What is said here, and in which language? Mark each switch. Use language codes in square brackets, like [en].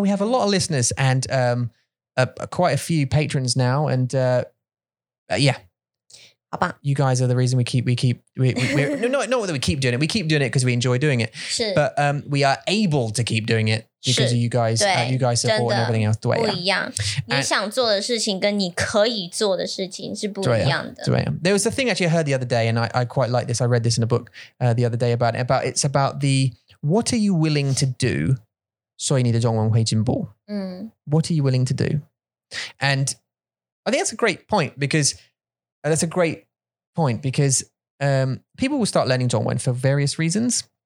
[en] we have a lot of listeners and quite a few patrons now. And yeah. You guys are the reason we keep doing it because we enjoy doing it. But we are able to keep doing it because of you guys. You guys support and everything else. [zh] 不一样，你想做的事情跟你可以做的事情是不一样的。对啊。 [en] There was a thing actually I heard the other day, and I quite like this. I read this in a book the other day about what are you willing to do? [zh] 所以你的中文会进步. [en] What are you willing to do? And I think that's a great point because. That's a great point because people will start learning 中文 for various reasons.